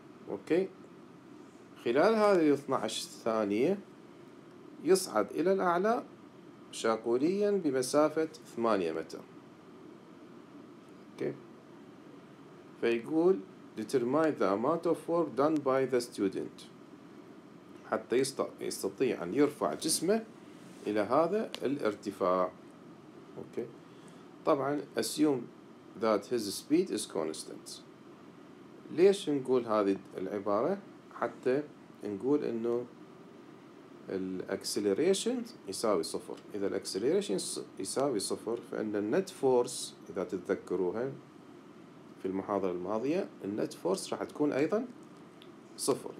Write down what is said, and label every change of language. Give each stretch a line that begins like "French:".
Arabic: أوكي، خلال هذه 12 ثانية يصعد إلى الأعلى شاقوليا بمسافة 8 متر. أوكي، فيقول
English: determine the amount of work done by the student
Arabic: حتى يستطيع أن يرفع جسمه إلى هذا الارتفاع. أوكي، طبعا
English: assume that his speed is constant.
Arabic: ليش نقول هذه العبارة؟ حتى نقول إنه الأكسليريشن يساوي صفر. إذا الأكسليريشن يساوي صفر فإن النت فورس، إذا تتذكروها في المحاضرة الماضية، النت فورس راح تكون أيضا صفر.